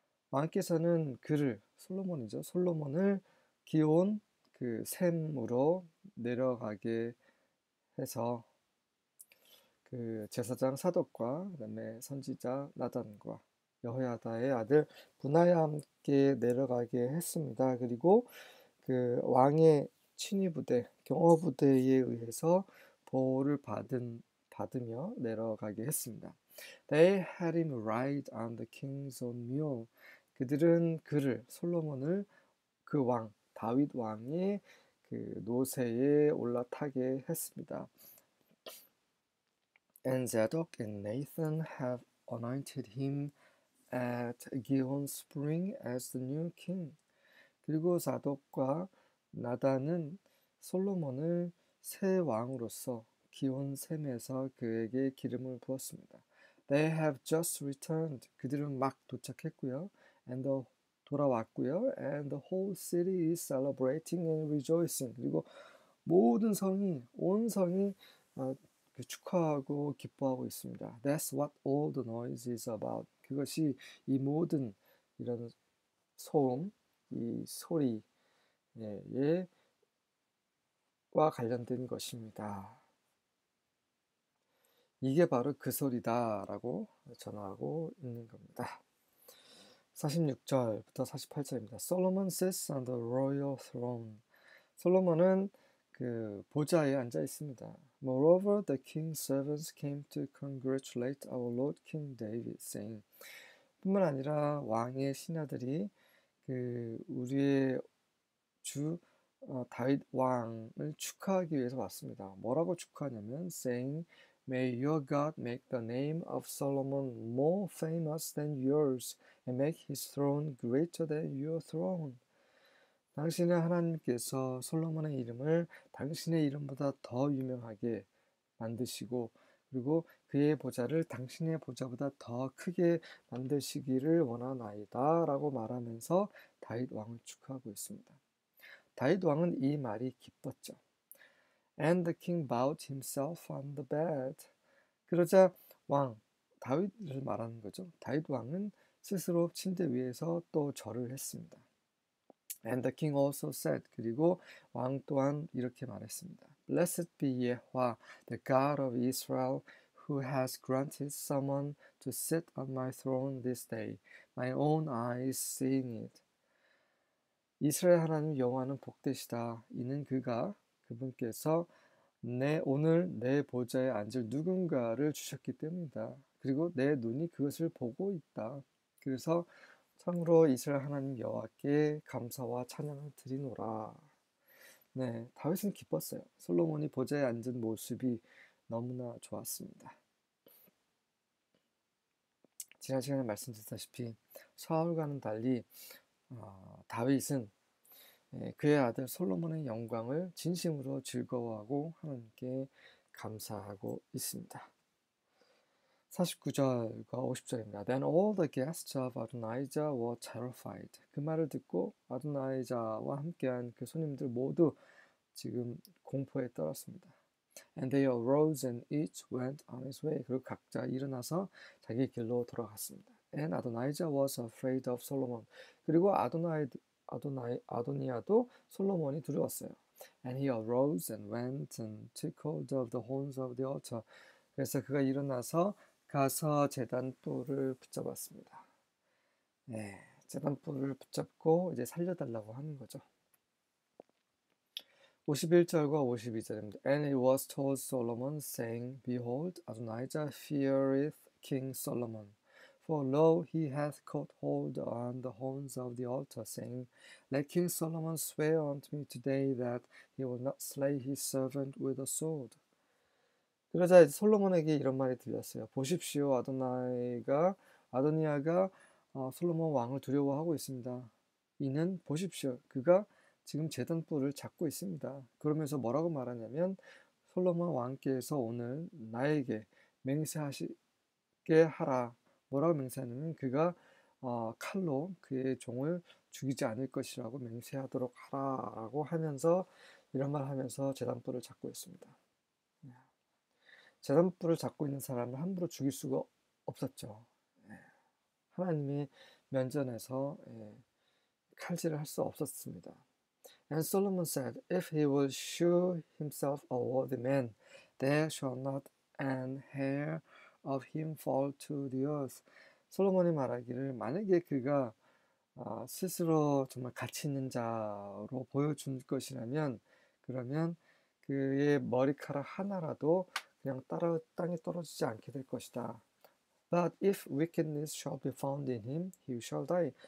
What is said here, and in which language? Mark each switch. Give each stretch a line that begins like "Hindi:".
Korean: 왕께서는 그를 솔로몬이죠. 솔로몬을 기온 그 샘으로 내려가게 해서 그 제사장 사독과 그다음에 선지자 나단과 여호야다의 아들 분하야 함께 내려가게 했습니다. 그리고 그 왕의 친위부대, 경호부대에 의해서 보호를 받으며 내려가게 했습니다.
English: They had him ride on the king's own mule.
Korean: 그들은 그를 솔로몬을 그 왕, 다윗 왕의 그 노새에 올라타게 했습니다.
English: And Zadok and Nathan have anointed him at Gihon Spring as the new king.
Korean: 그리고 사독과 나단은 솔로몬을 새 왕으로서 기온 샘에서 그에게 기름을 부었습니다.
English: They have just returned.
Korean: 그들은 막 도착했고요. And 돌아왔고요.
English: And the whole city is celebrating and rejoicing.
Korean: 그리고 모든 성이 온 성이 축하하고 기뻐하고 있습니다.
English: That's what all the noise is about.
Korean: 그것이 이 모든 이런 소음, 이 소리와 관련된 것입니다. 이게 바로 그 소리다라고 전하고 있는 겁니다. 46절부터 48절입니다.
English: Solomon sits on the royal throne.
Korean: 솔로몬은 그 보좌에 앉아 있습니다.
English: Moreover, the king's servants came to congratulate our Lord King David, saying,
Korean: 뿐만 아니라 왕의 신하들이 그 우리의 주 다윗 왕을 축하하기 위해서 왔습니다. 뭐라고 축하하냐면
English: saying, May your God make the name of Solomon more famous than yours and make his throne greater than your throne.
Korean: 당신의 하나님께서 솔로몬의 이름을 당신의 이름보다 더 유명하게 만드시고 그리고 그의 보좌를 당신의 보좌보다 더 크게 만드시기를 원하나이다 라고 말하면서 다윗 왕을 축하하고 있습니다. 다윗 왕은 이 말이 기뻤죠.
English: And the king bowed himself on the bed.
Korean: 그러자 왕, 다윗을 말하는 거죠. 다윗 왕은 스스로 침대 위에서 또 절을 했습니다.
English: And the king also said,
Korean: 그리고 왕 또한 이렇게 말했습니다.
English: Blessed be Yehovah, the God of Israel, who has granted someone to sit on my throne this day, my own eyes seeing it.
Korean: 이스라엘 하나님 여호와는 복되시다. 이는 그분께서 오늘 내 보좌에 앉을 누군가를 주셨기 때문이다. 그리고 내 눈이 그것을 보고 있다. 그래서 참으로 이스라엘 하나님 여호와께 감사와 찬양을 드리노라. 네, 다윗은 기뻤어요. 솔로몬이 보좌에 앉은 모습이 너무나 좋았습니다. 지난 시간에 말씀드렸다시피 사울과는 달리 다윗은 그의 아들 솔로몬의 영광을 진심으로 즐거워하고 하나님께 감사하고 있습니다. 49절과 50절입니다.
English: Then all the guests of Adonijah were terrified.
Korean: 그 말을 듣고 아도나이자와 함께한 그 손님들 모두 지금 공포에 떨었습니다.
English: And they arose and each went on his way.
Korean: 그리고 각자 일어나서 자기 길로 돌아갔습니다.
English: And Adonijah was afraid of Solomon.
Korean: 그리고 아도니아도 솔로몬이 두려웠어요.
English: And he arose and went and took hold of the horns of the altar.
Korean: 그래서 그가 일어나서 가서 제단돌을 붙잡았습니다. 네, 제단돌을 붙잡고 이제 살려달라고 하는 거죠. 51절과 52절입니다.
English: And it was told Solomon, saying, Behold, Adonijah feareth King Solomon. For lo, he hath caught hold on the horns of the altar, saying, Let King Solomon swear unto me today that he will not slay his servant with a sword.
Korean: 그러자 이제 솔로몬에게 이런 말이 들렸어요. 보십시오, 아도니아가 솔로몬 왕을 두려워하고 있습니다. 이는 보십시오, 그가 지금 제단뿔을 잡고 있습니다. 그러면서 뭐라고 말하냐면, 솔로몬 왕께서 오늘 나에게 맹세하시게 하라. 뭐라고 맹세하냐면, 그가 칼로 그의 종을 죽이지 않을 것이라고 맹세하도록 하라라고 하면서 이런 말 하면서 제단뿔을 잡고 있습니다. 제단뿔을 잡고 있는 사람을 함부로 죽일 수가 없었죠. 하나님이 면전에서 칼질을 할수 없었습니다.
English: And Solomon said, If he will show himself a worthy man, there shall not an hair of him fall to the earth.
Korean: 솔로몬이 말하기를 만약에 그가 스스로 정말 가치 있는 자로 보여줄 것이라면 그러면 그의 머리카락 하나라도 그냥 따라 땅에 떨어지지 않게 될 것이다.
English: But if wickedness shall be found in him, he shall die.